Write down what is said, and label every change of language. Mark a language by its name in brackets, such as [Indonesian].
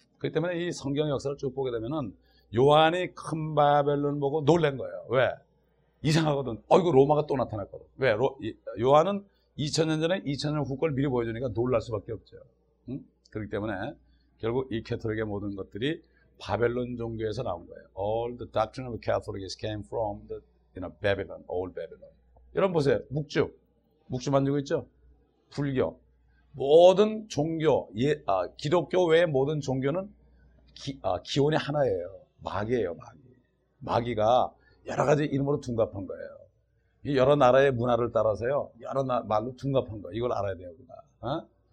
[Korean] 그렇기 때문에 이 성경 역사를 쭉 보게 되면은, 요한이 큰 바벨론 보고 놀란 거예요. 왜? 이상하거든. 어이구, 로마가 또 나타났거든. 왜? 요한은 2000년 전에 2000년 후 걸 미리 보여주니까 놀랄 수밖에 없죠. 그렇기 때문에 결국 이 캐톨릭의 모든 것들이 바벨론 종교에서 나온 거예요. [English] All the doctrine of Catholics came from the, you know, Babylon, old Babylon. [Korean] 여러분 보세요. 묵주. 묵주 만들고 있죠? 불교. 모든 종교, 기독교 외의 모든 종교는 기원이 하나예요. 마귀예요, 마귀. 마귀가 여러 가지 이름으로 둔갑한 거예요. 여러 나라의 문화를 따라서요. 여러 말로 둔갑한 거. 이걸 알아야 돼요, 우리가.